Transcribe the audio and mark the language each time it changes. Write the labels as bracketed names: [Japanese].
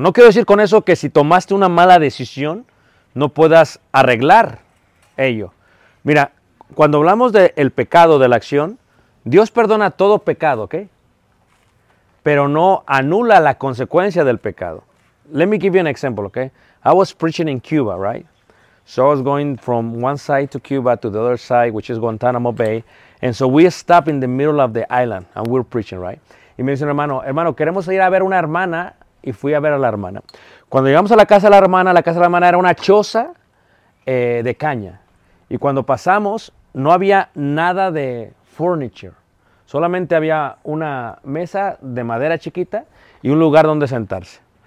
[Spanish] No quiero decir con eso que si tomaste una mala decisión, no puedas arreglar ello. Mira, cuando hablamos del pecado, de la acción, Dios perdona todo pecado, ¿ok? Pero no anula la consecuencia del pecado. [English] Let me give you an example, ¿ok? I was preaching in Cuba, right? So I was going from one side to Cuba to the other side, which is Guantanamo Bay, And so we stop in the middle of the island and we're preaching, right? [Spanish] Y me dice un hermano, hermano, queremos ir a ver una hermana. Y fui a ver a la hermana. Cuando llegamos a la casa de la hermana, la casa de la hermana era una choza de caña. Y cuando pasamos, no había nada de furniture. Solamente había una mesa de madera chiquita y un lugar donde sentarse.